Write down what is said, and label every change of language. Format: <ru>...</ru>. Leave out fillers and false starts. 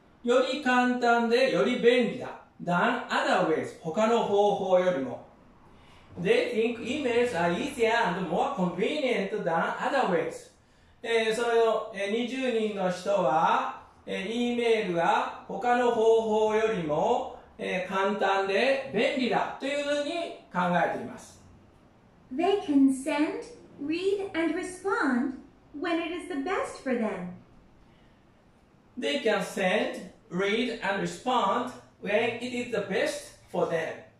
<ja>より簡単でより便利だ。</ja> <en>than other ways。</en> <ja>他の方法よりも。</ja> <en>They think emails are easier and more convenient than other ways.</en> <ja>その20人の人は、email が他の方法よりも、簡単で便利だというふうに考えています。</ja> <en>They can send, read and respond when it is the best for them. They can send, read and respond when it is the best for them.</en>